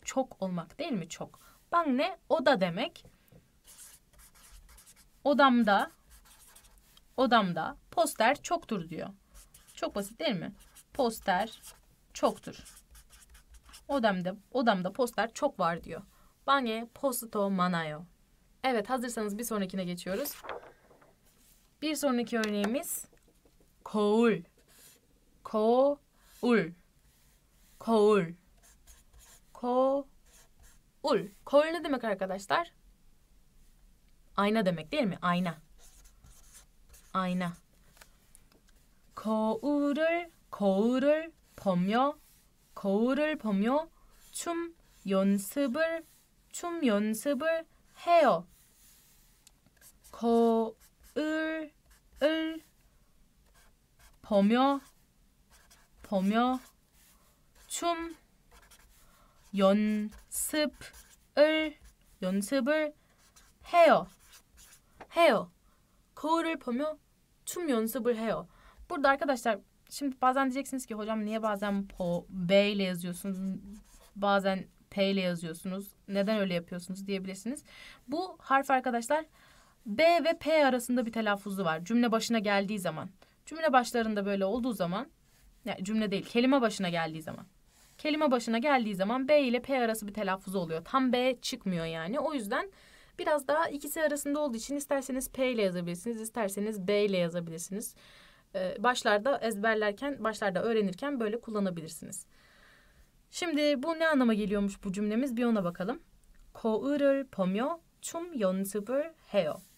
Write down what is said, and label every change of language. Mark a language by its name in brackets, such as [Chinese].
[Turkish] Çok olmak değil mi? Çok. 방 ne? Oda demek. Odamda poster çoktur diyor. Çok basit değil mi? Poster çoktur. Odamda poster çok var diyor. [Korean] 방에 posto 많아요. [Turkish] Evet, hazırsanız bir sonrakine geçiyoruz. Bir sonraki örneğimiz koğul. Koğul. Koğul. Koğul. Koğul ne demek arkadaşlar? Ayna demek değil mi? Ayna. Ayna. [Korean] Koğul을 보며 춤 연습을 춤 연습을 해요. 거을을 보며 춤 연습을 해요. 거울을 보며 춤 연습을 해요. [Turkish] Burada arkadaşlar şimdi bazen diyeceksiniz ki hocam niye bazen po B ile yazıyorsunuz, bazen P ile yazıyorsunuz, neden öyle yapıyorsunuz diyebilirsiniz. Bu harf arkadaşlar B ve P arasında bir telaffuzu var cümle başına geldiği zaman. Cümle başlarında böyle olduğu zaman, yani cümle değil kelime başına geldiği zaman. Kelime başına geldiği zaman B ile P arası bir telaffuz oluyor. Tam B çıkmıyor yani. O yüzden biraz daha ikisi arasında olduğu için isterseniz P ile yazabilirsiniz, isterseniz B ile yazabilirsiniz. Başlarda ezberlerken, başlarda öğrenirken böyle kullanabilirsiniz. Şimdi bu ne anlama geliyormuş bu cümlemiz? Bir ona bakalım. [Korean] 거울을 보며 춤 연습을 해요.